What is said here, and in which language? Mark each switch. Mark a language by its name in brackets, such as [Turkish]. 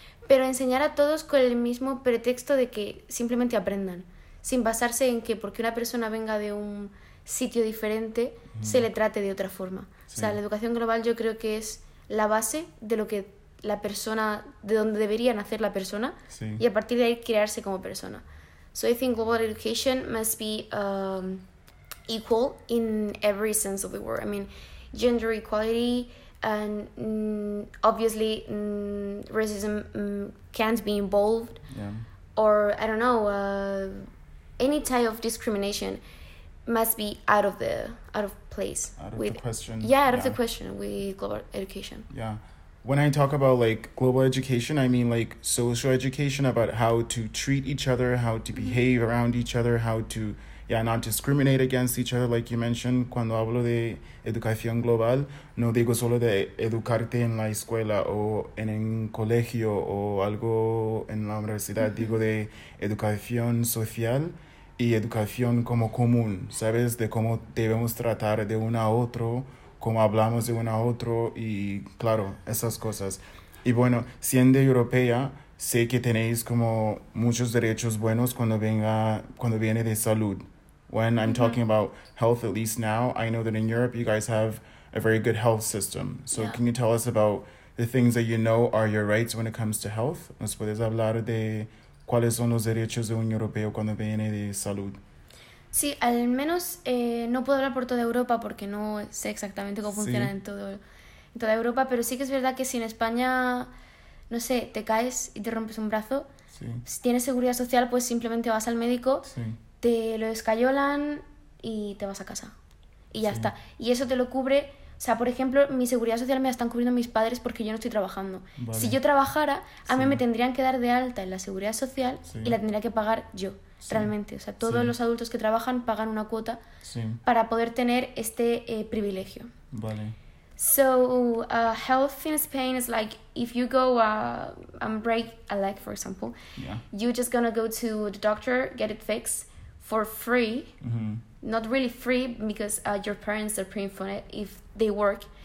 [Spanish] Pero enseñar a todos con el mismo pretexto de que simplemente aprendan. Sin basarse en que porque una persona venga de un sitio diferente, se le trate de otra forma. Sí. O sea, la educación global yo creo que es la base de lo que la persona, de donde debería nacer la persona. Sí. Y a partir de ahí crearse como persona. [English] So I think global education must be equal in every sense of the word. I mean, gender equality and obviously racism can't be involved. Yeah. Or, I don't know, any type of discrimination must be out of place. Out of the question with global education. Yeah. When I talk about, like, global education, I mean, like, social education about how to treat each other, how to behave mm-hmm. around each other, how to not discriminate against each other, like you mentioned. [Spanish] Cuando hablo de educación global, no digo solo de educarte en la escuela o en el colegio o algo en la universidad. Mm-hmm. Digo de educación social y educación como común, ¿sabes? De cómo debemos tratar de uno a otro, cómo hablamos de uno a otro y, claro, esas cosas. Y bueno, siendo europea, sé que tenéis como muchos derechos buenos cuando viene de salud. [English] When I'm talking about health, at least now, I know that in Europe you guys have a very good health system. So can you tell us about the things that you know are your rights when it comes to health? [Spanish] ¿Nos puedes hablar de cuáles son los derechos de un europeo cuando viene de salud? Sí, al menos no puedo hablar por toda Europa porque no sé exactamente cómo funciona en toda Europa, pero sí que es verdad que si en España, no sé, te caes y te rompes un brazo, si tienes seguridad social, pues simplemente vas al médico, te lo descayolan y te vas a casa. Y ya está. Y eso te lo cubre, o sea, por ejemplo, mi seguridad social me la están cubriendo mis padres porque yo no estoy trabajando. Vale. Si yo trabajara, a mí me tendrían que dar de alta en la seguridad social y la tendría que pagar yo. Realmente, o sea, todos los adultos que trabajan pagan una cuota para poder tener este privilegio. Vale. [English] So, health in Spain is like, if you go and break a leg, for example, you're just gonna go to the doctor, get it fixed for free. Not really free, because your parents are paying for it if they work.